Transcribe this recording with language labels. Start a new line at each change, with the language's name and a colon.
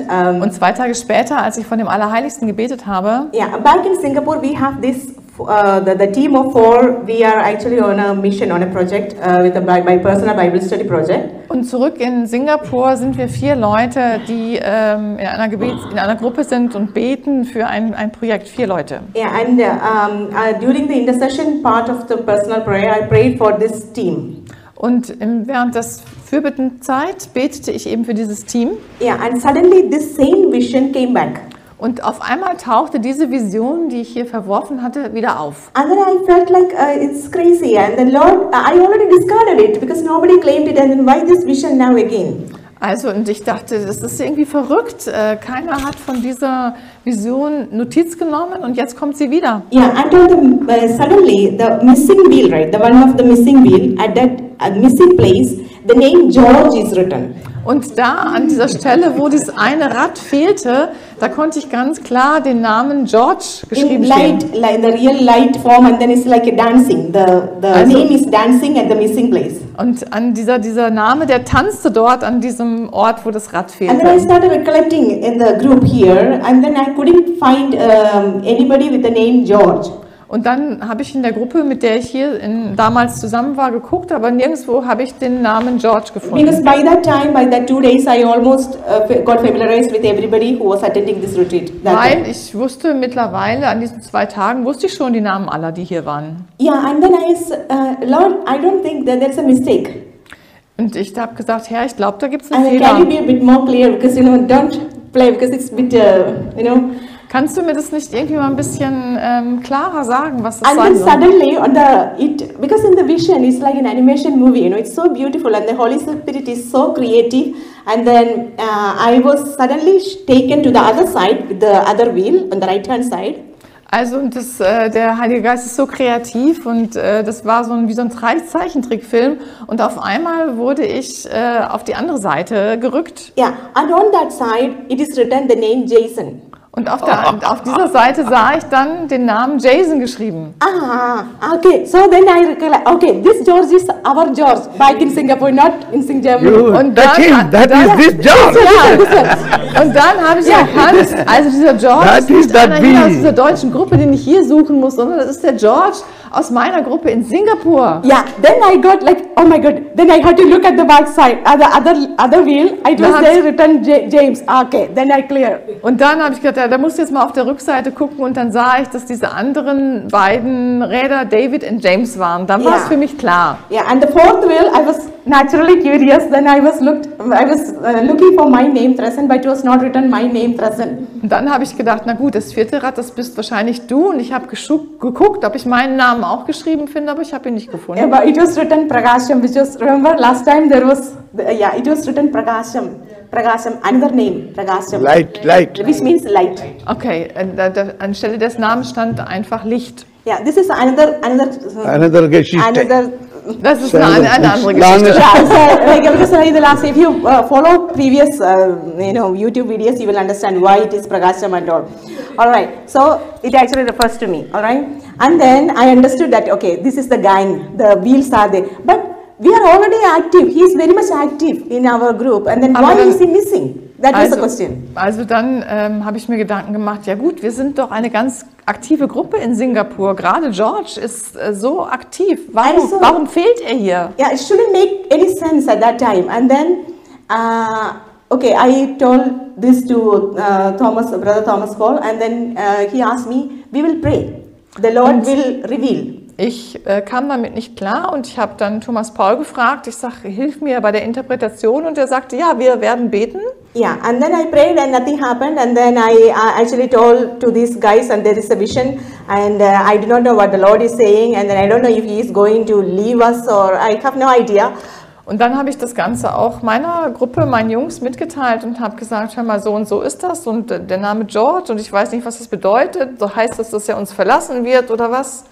German: Und 2 Tage später, als ich von dem Allerheiligsten gebetet habe.
English: Yeah, back in Singapore, we have this the team of 4. We are actually on a mission, on a project with my personal Bible study project.
German: Und zurück in Singapur sind wir 4 Leute, die in einer Gruppe sind und beten für ein Projekt. 4 Leute.
English: Yeah, and during the intercession part of the personal prayer, I prayed for this team.
German: Und während des Fürbittenzeit betete ich eben für dieses Team.
English: Yeah, and suddenly this same vision came back.
German: Und auf einmal tauchte diese Vision, die ich hier verworfen hatte, wieder auf.
English: And then I felt like it's crazy. And the Lord, I already discarded it because nobody claimed it. And then why this vision now again?
German: Also, und ich dachte, das ist irgendwie verrückt. Keiner hat von dieser Vision Notiz genommen und jetzt kommt sie wieder.
English: Yeah, I told them suddenly the missing wheel, right? The one of the missing wheel at that missing place, the name George is written.
German: Und da an dieser Stelle, wo das eine Rad fehlte, da konnte ich ganz klar den Namen George geschrieben sehen.
English: In light, like the real light form, and then it's like a dancing. The name is dancing at the missing place.
German: Und an dieser Name, der tanzte dort an diesem Ort, wo das Rad fehlte.
English: And then I started recollecting in the group here, and then I couldn't find anybody with the name George.
German: Und dann habe ich in der Gruppe, mit der ich hier damals zusammen war, geguckt, aber nirgendwo habe ich den Namen George gefunden.
English: Because by that time, by that 2 days, I almost got familiarized with everybody who was attending this retreat.
German: Nein, ich wusste mittlerweile an diesen 2 Tagen wusste ich schon die Namen aller, die hier waren.
English: Yeah, and then I Lord, I don't think that that's a mistake.
German: Und ich habe gesagt, Herr, ich glaube, da gibt's einen Fehler.
English: Can you be a bit more clear? Because you know, don't play because it's a bit, you know.
German: Kannst du mir das nicht irgendwie mal ein bisschen klarer sagen, was das sein soll?
English: And then suddenly, on the it because in the vision it's like an animation movie, you know, it's so beautiful and the Holy Spirit is so creative. And then I was suddenly taken to the other side, the other wheel on the right hand side.
German: Also das, der Heilige Geist ist so kreativ und das war so wie so ein Zeichentrickfilm und auf einmal wurde ich auf die andere Seite gerückt.
English: Yeah, and on that side it is written the name Jason.
German: Und auf dieser Seite sah ich dann den Namen Jason geschrieben.
English: Ah, okay. So then I recollect. Okay, this George is our George. Back in Singapore, not in St. Germany.
German: Und dann,
English: that is, that dann, is this George.
German: Und dann habe ich erkannt, also dieser George that ist nicht einer hier aus dieser deutschen Gruppe, den ich hier suchen muss, sondern das ist der George aus meiner Gruppe in Singapur.
English: Yeah, then I got like, oh my God, then I had to look at the back side, the other wheel, it was there written James. Okay, then I clear.
German: Und dann habe ich gedacht, da musst du jetzt mal auf der Rückseite gucken und dann sah ich, dass diese anderen beiden Räder David und James waren. Dann war es für mich klar.
English: Yeah, and the fourth wheel, I was naturally curious, then I was looking for my name present, but it was not written my name present.
German: Und dann habe ich gedacht, na gut, das vierte Rad, das bist wahrscheinlich du und ich habe geguckt, ob ich meinen Namen auch geschrieben finde, aber ich habe ihn nicht gefunden.
English: Yeah, but it was written Prakasham, which was, remember last time there was, yeah, it was written Prakasham. Prakasham, another name, Prakasham. Light. Which means light.
German: Okay, anstelle des Namens stand einfach Licht.
English: Yeah, this is another
German: Geschichte.
English: Another,
German: das ist eine andere Geschichte.
English: Yeah, so, like, I'm just saying the last, if you follow previous you know, YouTube videos, you will understand why it is Prakasham and all. All right, so it actually refers to me, all right? And then I understood that, okay, this is the gang, the wheels are there. But we are already active. He is very much active in our group. And then why is he missing? That was the question.
German: Also dann habe ich mir Gedanken gemacht, ja gut, wir sind doch eine ganz aktive Gruppe in Singapur. Gerade George ist so aktiv. Warum, also, warum fehlt er hier?
English: Yeah, it shouldn't make any sense at that time. And then, okay, I told this to Thomas, Brother Thomas Paul, and then he asked me, we will pray. The Lord und will reveal.
German: Ich kam damit nicht klar und ich habe dann Thomas Paul gefragt. Ich sage, hilf mir bei der Interpretation. Und er sagte, ja, wir werden beten.
English: Yeah, and then I prayed and nothing happened. And then I actually told to these guys and there is a vision. And I do not know what the Lord is saying. And then I don't know if he is going to leave us or I have no idea.
German: Und dann habe ich das Ganze auch meiner Gruppe, meinen Jungs mitgeteilt und habe gesagt, hör mal, so und so ist das und der Name George und ich weiß nicht, was das bedeutet. So heißt das, dass er uns verlassen wird oder was?